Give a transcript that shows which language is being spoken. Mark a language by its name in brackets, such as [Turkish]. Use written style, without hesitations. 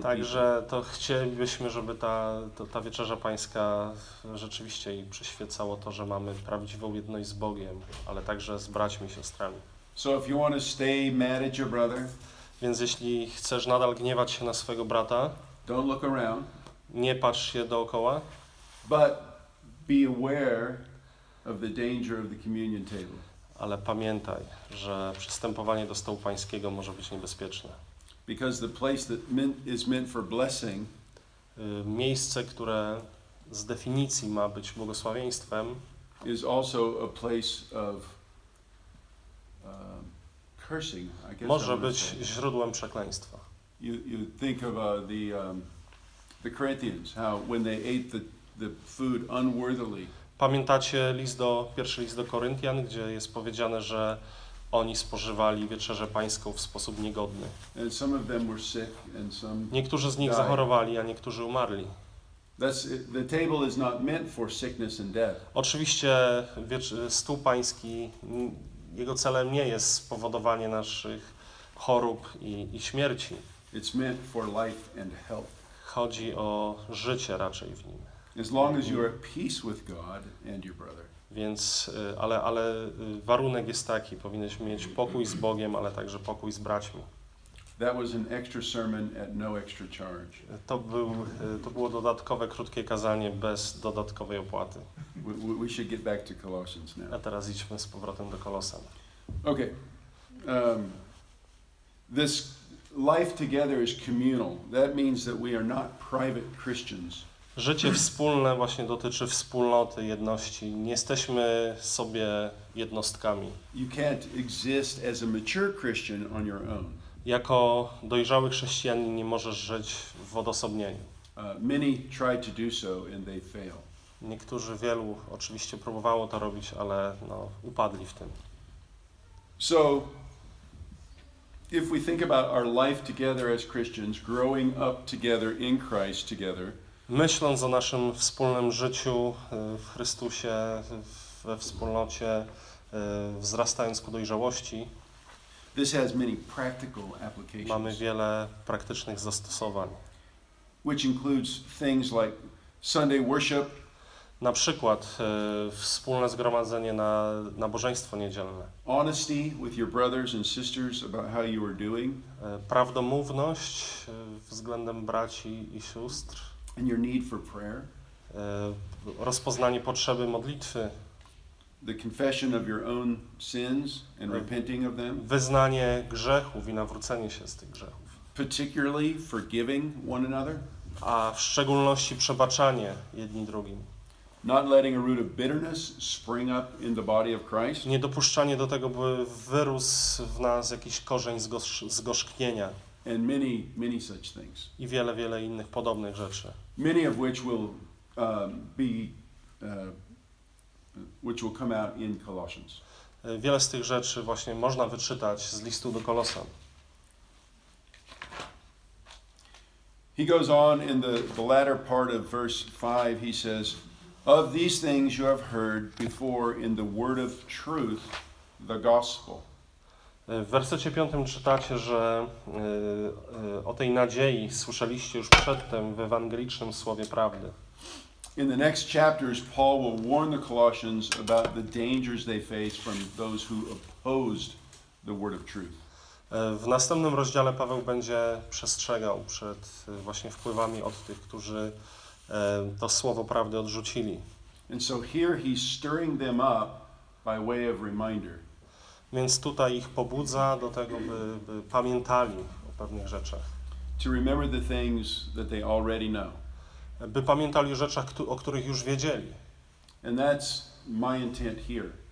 [English] people. [Polish] Także to chcielibyśmy, żeby ta wieczerza pańska rzeczywiście i przyświecało to, że mamy prawdziwą jedność z Bogiem, ale także z braćmi i siostrami. [English] So if you want to stay mad at your brother, [Polish] więc jeśli chcesz nadal gniewać się na swojego brata, [English] don't look around, [Polish] nie patrz się dookoła, [English] but be aware of the danger of the communion table. [Polish] Ale pamiętaj, że przystępowanie do stołu pańskiego może być niebezpieczne. [English] Because the place that is meant for blessing, [Polish] miejsce, które z definicji ma być błogosławieństwem, [English] is also a place of cursing, I guess. [Polish] Może być źródłem przekleństwa. [English] You think of the Corinthians, how when they ate the food unworthily. [Polish] Pamiętacie pierwszy list do Koryntian, gdzie jest powiedziane, że oni spożywali wieczerzę pańską w sposób niegodny. [English] And some of them were sick and some [Polish] niektórzy z nich [English] died. [Polish] Zachorowali, a niektórzy umarli. [English] The table is not meant for sickness and death. [Polish] Oczywiście stół pański, jego celem nie jest spowodowanie naszych chorób i śmierci. [English] It's meant for life and health. [Polish] Chodzi o życie raczej w nim. [English] As long as you are at peace with God and your brother. [Polish] Więc, ale warunek jest taki, powinieneś mieć pokój z Bogiem, ale także pokój z braćmi. [English] That was an extra sermon at no extra charge. [Polish] To było dodatkowe krótkie kazanie bez dodatkowej opłaty. [English] We should get back to Colossians now. [Polish] A teraz idźmy z powrotem do Kolosan. [English] Okay. This life together is communal. That means that we are not private Christians. [Polish] Życie wspólne właśnie dotyczy wspólnoty, jedności. Nie jesteśmy sobie jednostkami. [English] You can't exist as a mature Christian on your own. [Polish] Jako dojrzały chrześcijanin nie możesz żyć w odosobnieniu. [English] Many try to do so and they fail. [Polish] Niektórzy, wielu oczywiście próbowało to robić, ale upadli w tym. [English] So, if we think about our life together as Christians, growing up together in Christ together, [Polish] myśląc o naszym wspólnym życiu w Chrystusie, we wspólnocie, wzrastając ku dojrzałości, [English] this has many practical applications. [Polish] Mamy wiele praktycznych zastosowań. [English] Which includes things like Sunday worship, [Polish] na przykład wspólne zgromadzenie na nabożeństwo niedzielne. [English] Honesty with your brothers and sisters about how you are doing. [Polish] Prawdomówność względem braci i sióstr. [English] And your need for prayer. [Polish] Rozpoznanie potrzeby modlitwy. [English] The confession of your own sins and repenting of them. [Polish] Wyznanie grzechów i nawrócenie się z tych grzechów. [English] Particularly forgiving one another. [Polish] A w szczególności przebaczanie jedni drugim. [English] Not letting a root of bitterness spring up in the body of Christ. [Polish] Nie dopuszczanie do tego, by wyrósł w nas jakiś korzeń zgorzknienia. [English] And many, many such things. [Polish] I wiele, wiele innych podobnych rzeczy. [English] Many of which will be, which will come out in Colossians. [Polish] Wiele z tych rzeczy właśnie można wyczytać z listu do Kolosan. [English] He goes on in the latter part of verse 5. He says, "Of these things you have heard before in the word of truth, the gospel." [Polish] W wersecie 5 czytacie, że o tej nadziei słyszeliście już przedtem w ewangelicznym słowie prawdy. [English] In the next chapters Paul will warn the Colossians about the dangers they face from those who opposed the word of truth. [Polish] W następnym rozdziale Paweł będzie przestrzegał przed właśnie wpływami od tych, którzy to słowo prawdy odrzucili. [English] And so here he's stirring them up by way of reminder. [Polish] Więc tutaj ich pobudza do tego, by pamiętali o pewnych rzeczach. [English] To remember the things that they already know. [Polish] By pamiętali o rzeczach, o których już wiedzieli. [English] And that's my intent here.